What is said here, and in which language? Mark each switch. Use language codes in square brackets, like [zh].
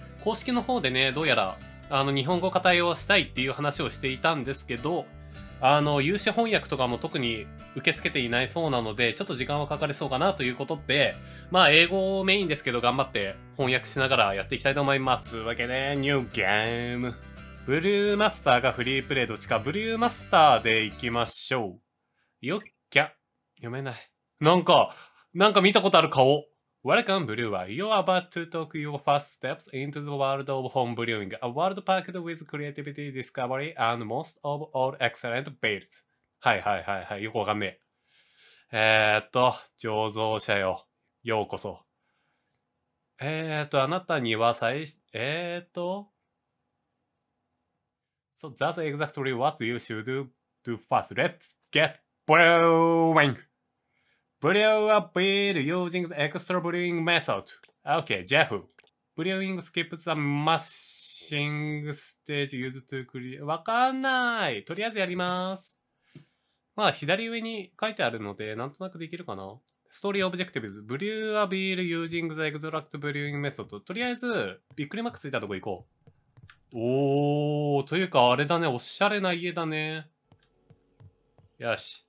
[ja] 公式の方でね、どうやら、日本語化対応したいっていう話をしていたんですけど、有志翻訳とかも特に受け付けていないそうなので、ちょっと時間はかかりそうかなということで、まあ、英語メインですけど、頑張って翻訳しながらやっていきたいと思います。というわけで、ニューゲーム。ブリューマスターがフリープレイどっちか、ブリューマスターでいきましょう。よっきゃ。読めない。なんか見たことある顔。 [en] Welcome, Brewer. You are about to talk your first steps into the world of home brewing, a world packed with creativity, discovery, and most of all excellent beers. [ja] はいはいはいはい。よくわかんねえ。醸造者よ。ようこそ。あなたには最、 [en] So that's exactly what you should do first. Let's get brewing! Brew a beer using the extra brewing method. Okay, Jeff. Brewing skips the mashing stage used to create. [ja] わかんない。とりあえずやります。まあ、左上に書いてあるので、なんとなくできるかな。ストーリーオブジェクティブズ。 [en] Brew a beer using the extract brewing method. [ja] とりあえず、びっくりマークついたとこ行こう。おー、というかあれだね。おしゃれな家だね。よし。